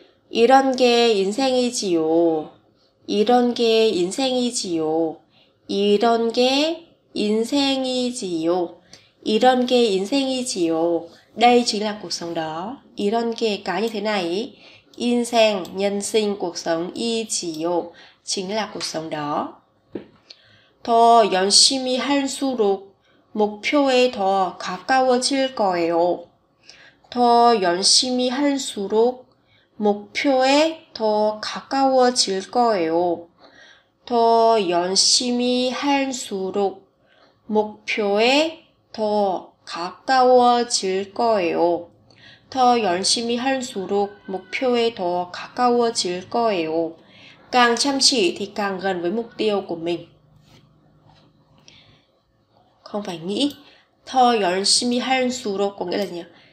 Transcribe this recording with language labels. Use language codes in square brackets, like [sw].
[ko] 이런 게 인생이지요. 이런 게 인생이지요. 이런 게 인생이지요. 이런 게 인생이지요. [vi] Đây chính là cuộc sống đó. [ko] 이런 게 [vi] cái như thế này. 인생, nhân sinh, cuộc sống, 이지요. Chính là cuộc sống đó. [ko] 더 열심히 할수록 목표에 더 가까워질 거예요. 더 열심히 할수록 목표에 더 가까워질 거예요. 더 열심히 할수록 목표에 더 가까워질 거예요. 더 열심히 할수록 목표에 더 가까워질 거예요. [vi] Càng chăm chỉ thì càng gần với mục tiêu của mình. Không phải nghĩ. [ko] Thò yon shimi hen su ro [vi] có nghĩa là gì nhỉ?